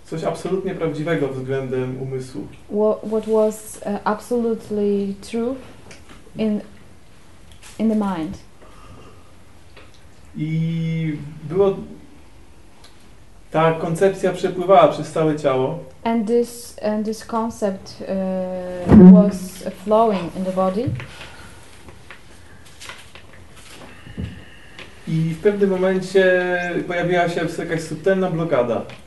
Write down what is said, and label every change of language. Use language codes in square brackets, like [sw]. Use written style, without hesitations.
[pl] Coś absolutnie prawdziwego względem umysłu. [en] What was absolutely true in the mind. [pl] I było ta koncepcja przepływała przez całe ciało. [en] And this concept was flowing in the body. [pl] I w pewnym momencie pojawiła się jakaś subtelna blokada.